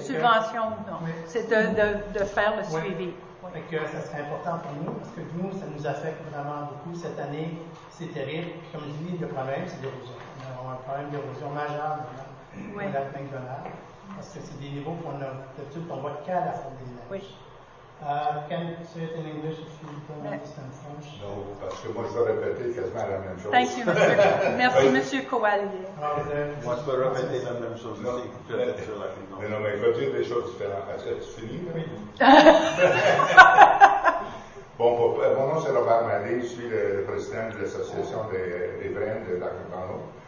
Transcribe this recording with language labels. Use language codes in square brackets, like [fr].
[fr] Subvention, c'est de faire le suivi. Oui. Fait que ça serait important pour nous, parce que nous, ça nous affecte vraiment beaucoup. Cette année, c'est terrible. Comme je dis, le problème, c'est l'érosion. Nous avons un problème d'érosion majeur maintenant, au lac McDonald, parce que c'est des niveaux qu'on a d'habitude qu'on voit qu'à la fin des neiges. Oui. [en] Can you say it in English if you don't understand French? [fr] Non, parce que moi je vais répéter quasiment la même chose. [en] Thank you, Monsieur. [fr] Merci, Monsieur [en] Coallier. [fr] Moi je vais répéter la même chose. Non, mais non, mais il faut dire des choses différentes. Est-ce que tu finis, oui. Bon, mon nom c'est Robert Mallet, je suis le président de l'association des vins de Lac Bano.